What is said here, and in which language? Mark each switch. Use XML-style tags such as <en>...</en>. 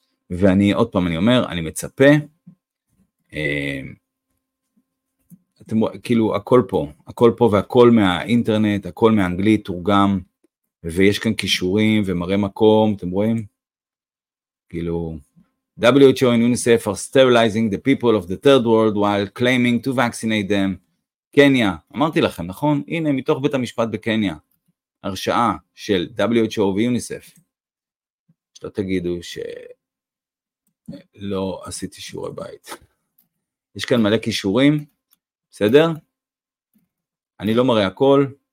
<he>ואני עוד פעם אני אומר, אני מצפה, אתם כאילו הכל פה, הכל פה והכל מהאינטרנט, הכל מאנגלית, תורגם, ויש כאן קישורים ומראה מקום, אתם רואים? כאילו...</he> <en>WHO and UNICEF are sterilizing the people of the third world while claiming to vaccinate them.</en> <he>קניה, אמרתי לכם, נכון? הנה, מתוך בית המשפט בקניה, הרשאה של WHO ו-UNICEF. שלא תגידו שלא עשיתי שיעורי בית. יש כאן מלא קישורים, בסדר? אני לא מראה הכל.</he>